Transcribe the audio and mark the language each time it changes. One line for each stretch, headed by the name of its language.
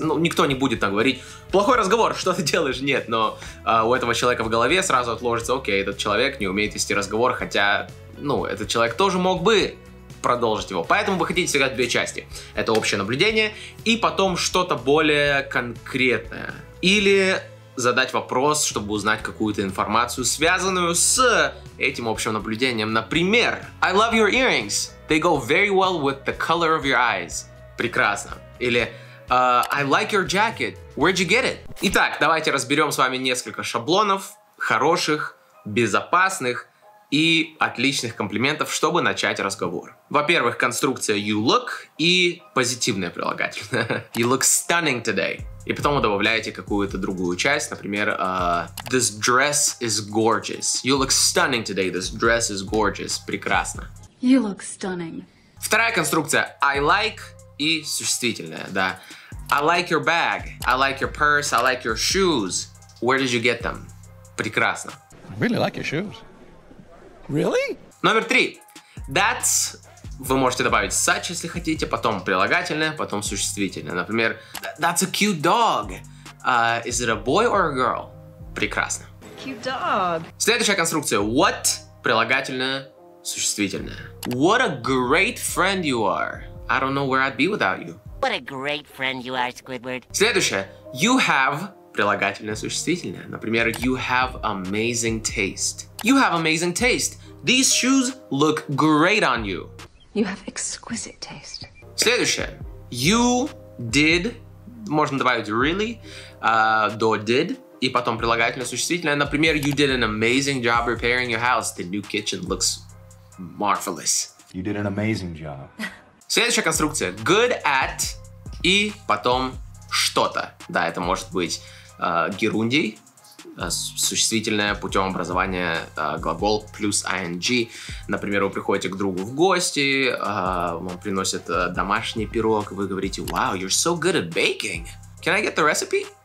Russian: Ну, никто не будет так говорить «Плохой разговор, что ты делаешь?» Нет, но у этого человека в голове сразу отложится «Окей, этот человек не умеет вести разговор, хотя, ну, этот человек тоже мог бы продолжить его». Поэтому вы хотите сыграть две части. Это общее наблюдение и потом что-то более конкретное. Или задать вопрос, чтобы узнать какую-то информацию, связанную с этим общим наблюдением.
English: Например, I love your earrings. They go very well with the color of your eyes.
Russian: Прекрасно. Или
English: I like your jacket. Where'd you get it?
Russian: Итак, давайте разберем с вами несколько шаблонов хороших, безопасных и отличных комплиментов, чтобы начать разговор. Во-первых, конструкция
English: you look
Russian: и позитивное прилагательное.
English: You look stunning today.
Russian: И потом вы добавляете какую-то другую часть, например,
English: this dress is gorgeous. You look stunning today, this dress is gorgeous.
Russian: Прекрасно.
English: You look stunning.
Russian: Вторая конструкция
English: I like
Russian: и существительное, да.
English: I like your bag, I like your purse, I like your shoes. Where did you get them?
Russian: Прекрасно.
English: I really like your shoes. Really?
Russian: Номер три.
English: That's...
Russian: Вы можете добавить such, если хотите, потом прилагательное, потом существительное.
English: Например, that's a cute dog. Is it a boy or a girl?
Russian: Прекрасно.
English: Cute dog.
Russian: Следующая конструкция.
English: What?
Russian: Прилагательное, существительное.
English: What a great friend you are. I don't know where I'd be without you. What a great friend you are, Squidward.
Russian: Следующее.
English: You have...
Russian: Прилагательное, существительное.
English: Например, you have amazing taste. You have amazing taste. These shoes look great on you. You have exquisite taste.
Russian: Следующее.
English: You did.
Russian: Можно добавить really. До did. И потом прилагательное, существительное.
English: Например, you did an amazing job repairing your house. The new kitchen looks marvelous. You did an amazing job.
Russian: Следующая конструкция.
English: Good at.
Russian: И потом что-то. Да, это может быть... Герундий, существительное путем образования глагол плюс ing. Например, вы приходите к другу в гости, он приносит домашний пирог, и вы говорите,
English: wow, you're so good at baking. Can I get the recipe?